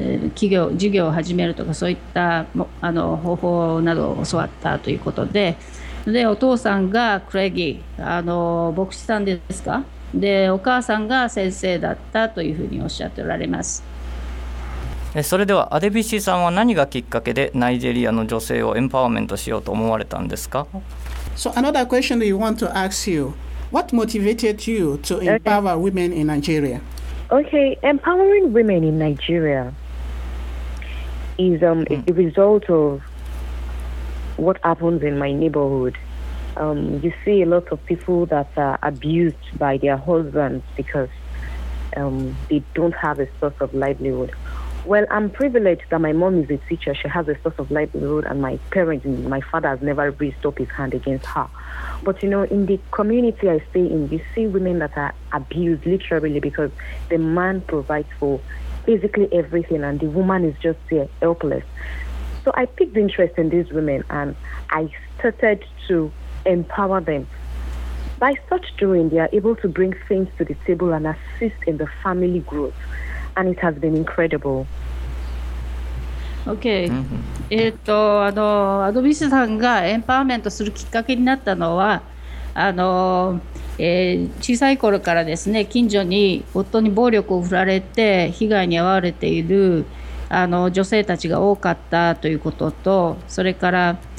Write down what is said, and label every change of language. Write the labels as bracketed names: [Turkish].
[Japanese] 企業事業を始めるとか、そういった方法などを教わったということで、でお父さんがクレギー牧師さんですか、でお母さんが先生だったというふうにおっしゃっておられます。それではアデビシさんは何がきっかけでナイジェリアの女性をエンパワーメントしようと思われたんですか。 [English] So another question that you want to ask you, What motivated you to empower women in Nigeria? Okay, empowering women in Nigeria is a result of what happens in my neighborhood. You see a lot of people that are abused by their husbands because they don't have a source of livelihood. Well, I'm privileged that my mom is a teacher. She has a source of livelihood, and my parents, my father has never raised up his hand against her. But, you know, in the community I stay in, you see women that are abused literally because the man provides for basically everything and the woman is just there helpless. So I picked interest in these women and I started to empower them. By such doing, they are able to bring things to the table and assist in the family growth. And it has been incredible. Okay. Mm-hmm. [Japanese] アドビシさんがエンパワーメントするきっかけになったのは、小さい頃からですね、近所に夫に暴力を振られて被害に遭われている女性たちが多かったということと、それから